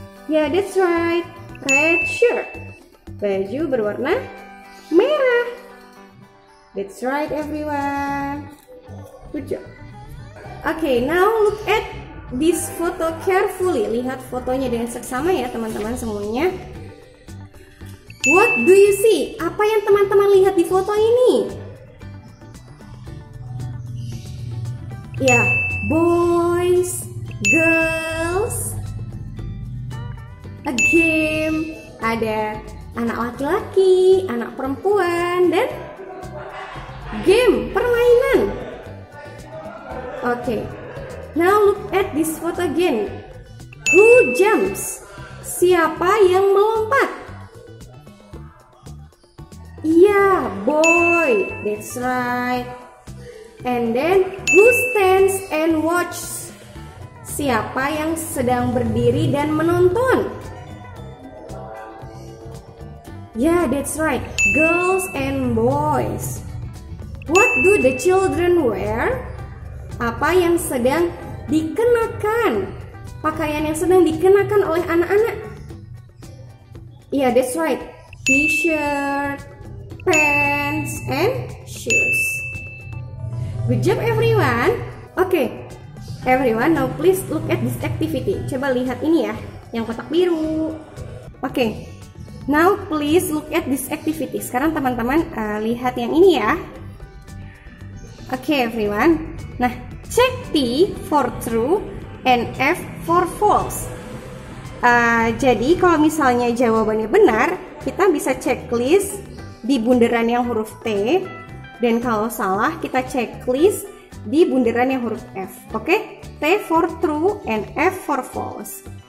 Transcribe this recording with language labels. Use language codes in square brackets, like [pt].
[en] Yeah, that's right. Red shirt. [id] Baju berwarna merah. [en] That's right, everyone. Good job. Okay, now look at this photo carefully. [id] Lihat fotonya dengan seksama ya, teman-teman semuanya. [en] What do you see? [id] Apa yang teman-teman lihat di foto ini? [en] Ya, boys, girls, a game. [id] Ada anak laki-laki, anak perempuan, dan game, permainan. [en] Okay, now look at this photo again. Who jumps? [id] Siapa yang melompat? [en] Yeah, boy, that's right. And then, who stands and watches? [id] Siapa yang sedang berdiri dan menonton? [en] Yeah, that's right, girls and boys. What do the children wear? [id] Apa yang sedang dikenakan? Pakaian yang sedang dikenakan oleh anak-anak? [en] Yeah, that's right, t-shirt, pen, pants and shoes. Good job everyone. Okay, everyone, now please look at this activity. [id] Coba lihat ini ya, yang kotak biru. [en] Okay, now please look at this activity. [id] Sekarang teman-teman lihat yang ini ya. [en] Okay everyone, nah check P for true and F for false. [id] Jadi kalau misalnya jawabannya benar, kita bisa checklist di bundaran yang huruf T. Dan kalau salah, kita checklist di bundaran yang huruf F. Oke? [en] Okay? T for true and F for false.